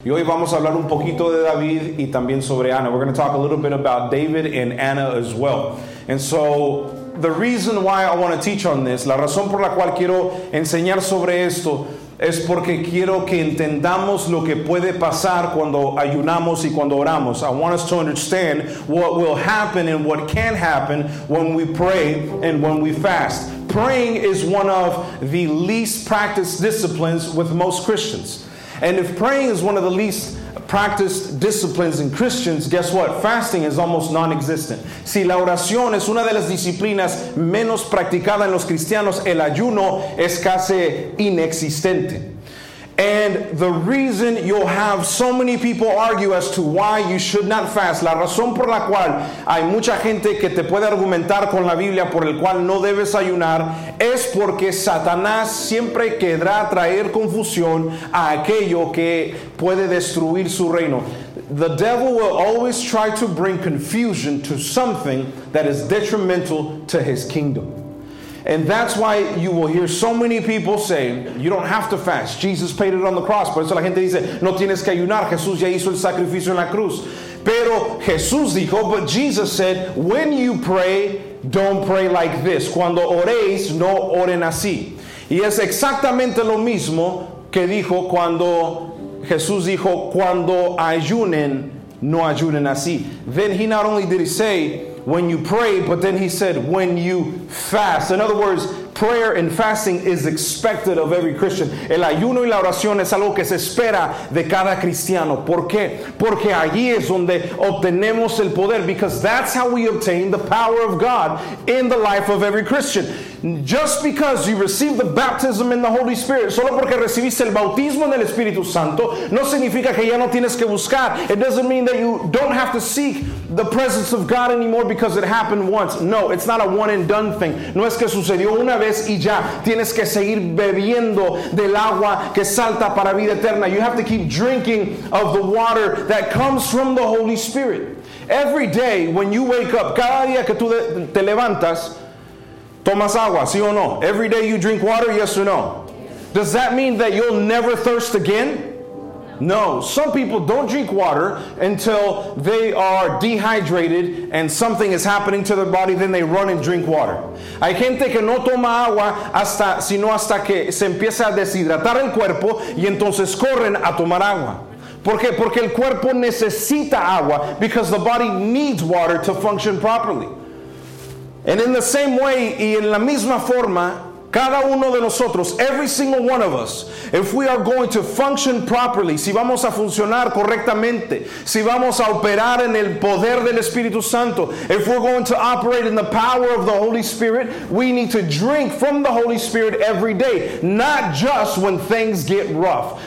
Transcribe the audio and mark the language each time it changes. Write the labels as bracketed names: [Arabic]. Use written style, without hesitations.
[Spanish] Y hoy vamos a hablar un poquito de David y también sobre Ana. [English] We're going to talk a little bit about David and Anna as well. And so the reason why I want to teach on this, [Spanish] la razón por la cual quiero enseñar sobre esto, es porque quiero que entendamos lo que puede pasar cuando ayunamos y cuando oramos. [English] I want us to understand what will happen and what can happen when we pray and when we fast. Praying is one of the least practiced disciplines with most Christians. And if praying is one of the least practiced disciplines in Christians, guess what? Fasting is almost non-existent. [Spanish] Si la oración es una de las disciplinas menos practicada en los cristianos, el ayuno es casi inexistente. [English] And the reason you'll have so many people argue as to why you should not fast, [Spanish] la razón por la cual hay mucha gente que te puede argumentar con la Biblia por el cual no debes ayunar, es porque Satanás siempre querrá traer confusión a aquello que puede destruir su reino. [English] The devil will always try to bring confusion to something that is detrimental to his kingdom. And that's why you will hear so many people say, you don't have to fast. Jesus paid it on the cross. [Spanish] Por eso la gente dice, no tienes que ayunar. Jesús ya hizo el sacrificio en la cruz. Pero Jesús dijo, [English] but Jesus said, when you pray, don't pray like this. [Spanish] Cuando oréis, no oren así. Y es exactamente lo mismo que dijo cuando Jesús dijo, cuando ayunen, no ayunen así. [English] Then he not only did he say, when you pray, but then he said, when you fast. In other words, prayer and fasting is expected of every Christian. [Spanish] El ayuno y la oración es algo que se espera de cada cristiano. ¿Por qué? Porque allí es donde obtenemos el poder. [English] Because that's how we obtain the power of God in the life of every Christian. Just because you receive the baptism in the Holy Spirit, [Spanish] solo porque recibiste el bautismo en el Espíritu Santo, no significa que ya no tienes que buscar. [English] It doesn't mean that you don't have to seek the presence of God anymore because it happened once. No, it's not a one and done thing. [Spanish] No es que sucedió una vez y ya. Tienes que seguir bebiendo del agua que salta para vida eterna. [English] You have to keep drinking of the water that comes from the Holy Spirit. Every day when you wake up, [Spanish] cada día que tú te levantas, tomas agua, sí o no? [English] Every day you drink water, yes or no? Does that mean that you'll never thirst again? No. Some people don't drink water until they are dehydrated and something is happening to their body, then they run and drink water. [Spanish] Hay gente que no toma agua hasta, sino hasta que se empieza a deshidratar el cuerpo y entonces corren a tomar agua. ¿Por qué? Porque el cuerpo necesita agua, [English] because the body needs water to function properly. And in the same way, [Spanish] y en la misma forma, cada uno de nosotros, [English] every single one of us, if we are going to function properly, [Spanish] si vamos a funcionar correctamente, si vamos a operar en el poder del Espíritu Santo, [English] if we're going to operate in the power of the Holy Spirit, we need to drink from the Holy Spirit every day, not just when things get rough.